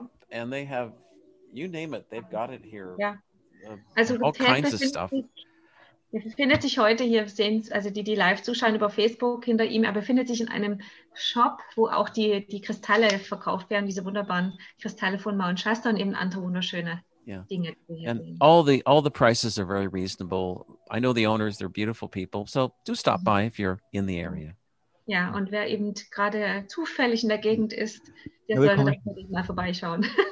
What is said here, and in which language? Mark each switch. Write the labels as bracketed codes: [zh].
[en] And they have, you name it, they've got it here. Also all kinds of stuff. [de] Er befindet sich heute hier, sehen also die live zuschauen über Facebook hinter ihm, er befindet sich in einem Shop, wo auch die Kristalle verkauft werden, diese wunderbaren Kristalle von Mount Shasta und eben andere wunderschöne Dinge. [en] And all the prices are very reasonable. I know the owners, they're beautiful people. So do stop by if you're in the area. [de] Ja, und wer eben gerade zufällig in der Gegend ist, der sollte natürlich mal vorbeischauen.